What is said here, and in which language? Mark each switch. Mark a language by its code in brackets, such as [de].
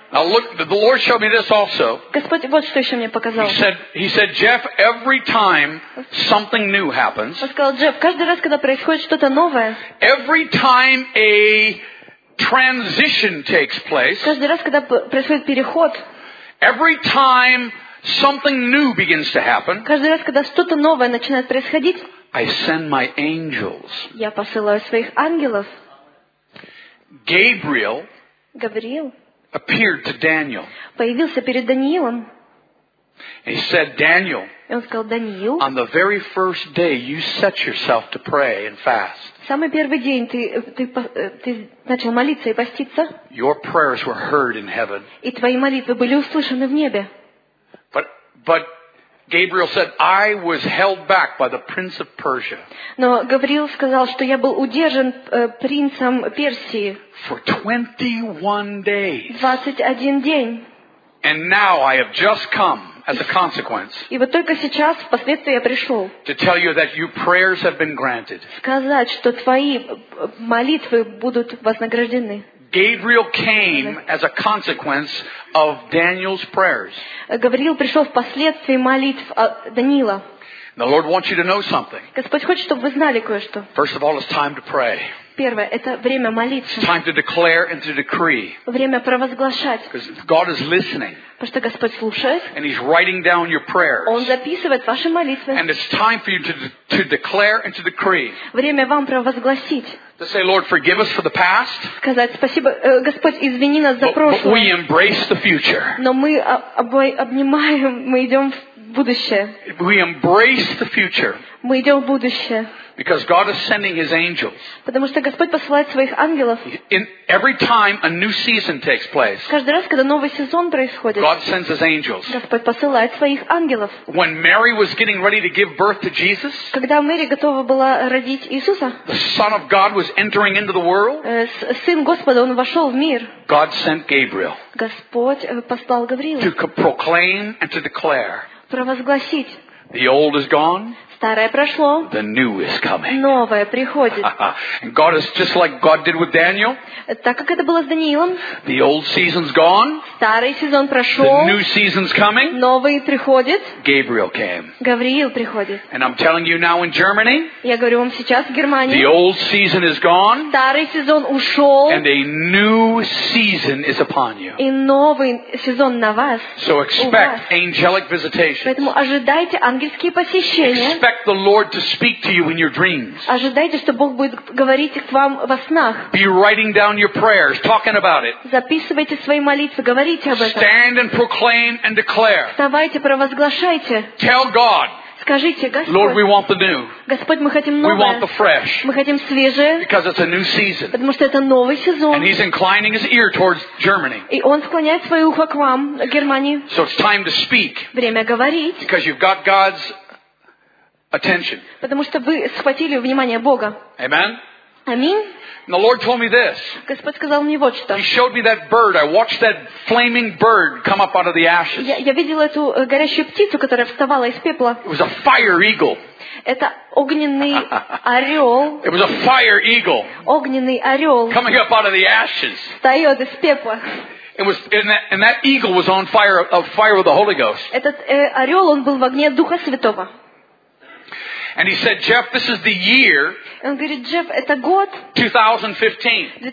[en] Now look, the Lord showed me this also. [ru] Господь вот что еще мне показал. [en] He said, Jeff, every time something new happens. [ru] Он сказал, Джефф, каждый раз, когда происходит что-то новое. [en] Every time a transition takes place. [ru] Каждый раз, когда происходит переход. [en] Every time something new begins to happen. [ru] Каждый раз, когда что-то новое начинает происходить. [en] I send my angels. [ru] Я посылаю своих ангелов. [en] Gabriel. [ru] Гавриил. [en] Appeared to Daniel. [ru] Появился перед Даниилом. [en] And he said, Daniel. [ru] И он сказал, Даниил. [en] On the very first day, you set yourself to pray and fast. [ru] Самый первый день ты начал молиться и поститься. [en] Your prayers were heard in heaven. [ru] И твои молитвы были услышаны в небе. [en] But Gabriel said, I was held back by the prince of Persia. [ru] Но Гавриил сказал, что я был удержан принцем Персии. [en] For 21 days. [ru] 21 день. [en] And now I have just come. As a consequence. [ru] И вот только сейчас, впоследствии я пришел. [en] To tell you that your prayers have been granted. [ru] Сказать, что твои молитвы будут вознаграждены. [en] Gabriel came as a consequence of Daniel's prayers. [ru] Гавриил пришел впоследствии молитв Даниила. [en] The Lord wants you to know something. [ru] Господь хочет, чтобы вы знали кое-что. [en] First of all, it's time to pray. [ru] Первое, это время молиться. [en] It's time to declare and to decree. [ru] Время провозглашать. [en] Because God is listening. [ru] Потому что Господь слушает. [en] And he's writing down your prayers. [ru] Он записывает ваши молитвы. [en] And it's time for you to declare and to decree. [ru] Время вам провозгласить. [en] To say, Lord, forgive us for the past. [ru] Сказать спасибо, Господь, извини нас за прошлое. [en] But we embrace the future. [ru] Но мы обнимаем, мы идем в [en] будущее. We embrace the future. [ru] Мы идем в будущее. [en] Because God is sending His angels. [ru] Потому что Господь посылает своих ангелов. [en] In every time a new season takes place. [ru] Каждый раз, когда новый сезон происходит. [en] God sends His angels. [ru] Господь посылает своих ангелов. [en] When Mary was getting ready to give birth to Jesus. [ru] Когда Мария готова была родить Иисуса. [en] The Son of God was entering into the world. [ru] Сын Господа, он вошел в мир. [en] God sent Gabriel. [ru] Господь послал Гавриила. [en] To proclaim and to declare. [ru] Провозгласить. [en] The old is gone. [ru] Старое прошло. [en] The new is coming. [ru] Новое приходит. [en] And God is just like God did with Daniel. [ru] Так как это было с Даниилом. [en] The old season's gone. [ru] Старый сезон прошел. [en] The new season's coming. [ru] Новый приходит. [en] Gabriel came. [ru] Гавриил приходит. [en] And I'm telling you now in Germany. [ru] Я говорю вам сейчас в Германии. [en] The old season is gone. [ru] Старый сезон ушел. [en] And a new season is upon you. [ru] И новый сезон на вас. [en] So expect angelic visitations. [ru] Поэтому ожидайте ангельские посещения. [en] Expect the Lord to speak to you in your dreams. [ru] Ожидайте, что Бог будет говорить к вам во снах. [en] Be writing down your prayers, talking about it. [ru] Записывайте свои молитвы, говорите об этом. [en] Stand and proclaim and declare. [ru] Вставайте, провозглашайте. [en] Tell God. [ru] Скажите, Господь. [en] Lord, we want the new. [ru] Господь, мы хотим новое. [en] We want the fresh. [ru] Мы хотим свежее. [en] Because it's a new season. [ru] Потому что это новый сезон. [en] And He's inclining His ear towards Germany. [ru] И Он склоняет свое ухо к вам, к Германии. [en] So it's time to speak. [ru] Время говорить. [en] Because you've got God's attention. [ru] Потому что вы схватили внимание Бога. [en] Amen. [ru] Аминь. [en] And the Lord told me this. [ru] Господь сказал мне вот что. [en] He showed me that bird. I watched that flaming bird come up out of the ashes. [ru] Я видел эту горящую птицу, которая вставала из пепла. [en] It was a fire eagle. [ru] Это огненный орел. [en] It was a fire eagle. [ru] Огненный орел. [en] Coming up out of the ashes. [ru] Встает из пепла. [en] It was, and that eagle was on fire, a fire with the Holy Ghost. [ru] Этот орел, он был в огне Духа Святого. [en] And he said, Jeff, this is the year 2015.